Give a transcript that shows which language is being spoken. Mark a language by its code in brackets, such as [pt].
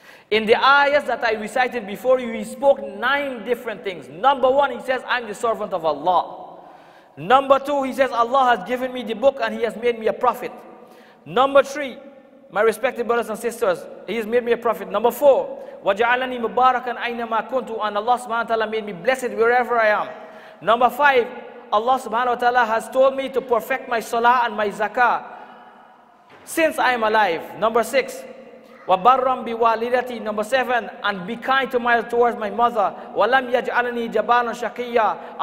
[en] In the ayahs that I recited before you, he spoke 9 different things. Number one, he says, I'm the servant of Allah. Number two, he says, Allah has given me the book and he has made me a prophet. Number three, my respected brothers and sisters, he has made me a prophet. Number four, [ar] وَجَعَلَنِي مُبَارَكًا أَيْنَمَا كُنتُ. [en] And Allah subhanahu wa ta'ala made me blessed wherever I am. Number five, Allah subhanahu wa ta'ala has told me to perfect my salah and my zakah since I am alive. Number six, [ar] وَبَرَّمْ بِوَالِدَتِي. [en] Number seven, and be kind to towards my mother. [ar] وَلَمْ يَجْعَلَنِي جَبَانًا شَقِيًّا.